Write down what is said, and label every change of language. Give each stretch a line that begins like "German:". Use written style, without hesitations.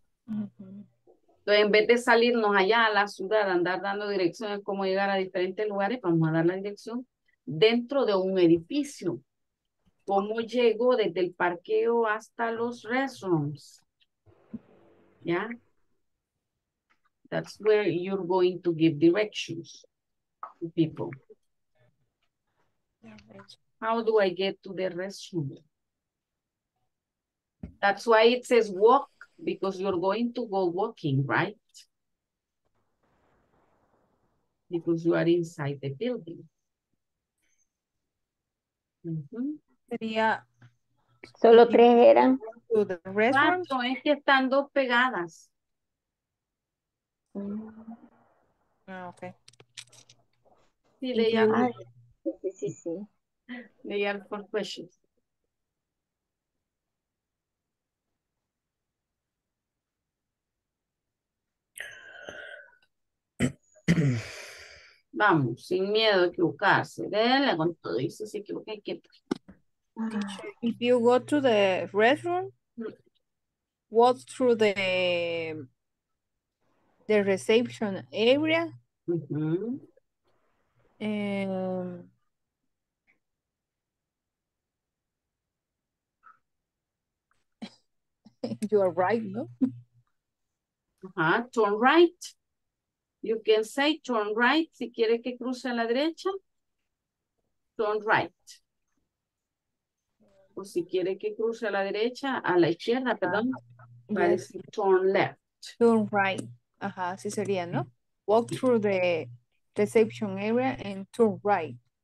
Spanish: Entonces, en vez de salirnos allá a la ciudad, andar dando direcciones de cómo llegar a diferentes lugares, vamos a dar la dirección dentro de un edificio. ¿Cómo llego desde el parqueo hasta los restrooms? ¿Ya?
English: That's where you're going to give directions to people. How do I get to the restroom? That's why it says walk. Because you're going to go walking, right? Because you are inside the building. Mm-hmm.
Spanish: Sería Solo tres eran. Cuatro, es que están dos pegadas. Ah, ok. Sí, leía. Sí, sí, sí.
English: Leía four questions.
Spanish: Vamos, sin miedo a equivocarse. Déjale con todo y si se equivoca, hay que...
English: If you go to the restroom, walk through the reception area, you are right, no? Turn right. You can say turn right
Spanish: si quieres que cruce a la derecha.
English: Turn right.
Spanish: O si quiere que cruce a la derecha, a la izquierda, perdón, va a decir
English: turn left. Turn right.
Spanish: Ajá, así sería, ¿no?
English: Walk through the reception area and turn right.